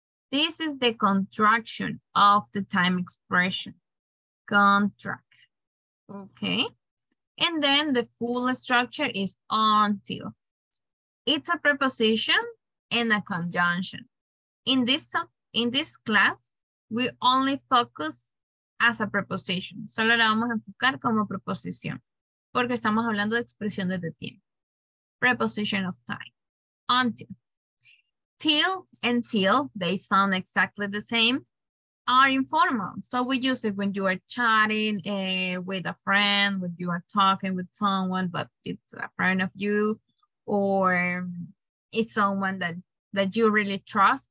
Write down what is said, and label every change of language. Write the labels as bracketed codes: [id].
[en] This is the contraction of the time expression, contract, okay? And then the full structure is until. It's a preposition and a conjunction. In this class, we only focus as a preposition. [es] Solo la vamos a enfocar como preposición, porque estamos hablando de expresión de tiempo. [en] Preposition of time, until. Till and till, they sound exactly the same, are informal. So we use it when you are chatting with a friend, when you are talking with someone, but it's a friend of you, or it's someone that you really trust.